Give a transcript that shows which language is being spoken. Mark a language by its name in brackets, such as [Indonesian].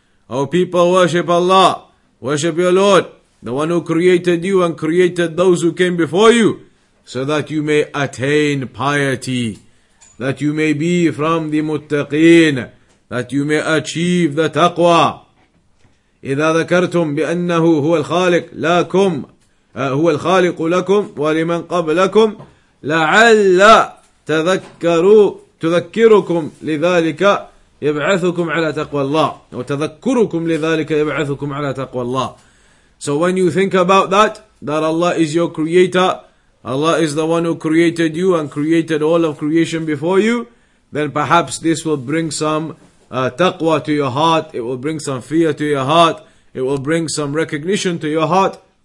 [English] O people, worship Allah, worship your Lord, the one who created you and created those who came before you, so that you may attain piety, that you may be from the muttaqeen, that you may achieve the taqwa. [Arabic] إِذَا ذَكَرْتُمْ بِأَنَّهُ هُوَ الْخَالِقُ لَكُمْ هو الخالق لكم ولمن قبلكم لعل تذكركم لذلك يبعثكم على تقوى الله وتذكركم لذلك يبعثكم على تقوى الله. [English] So when you think about that Allah is your creator, Allah is the one who created you and created all of creation before you, then perhaps this will bring some taqwa to your heart, it will bring some fear to your heart, it will bring some recognition to your heart.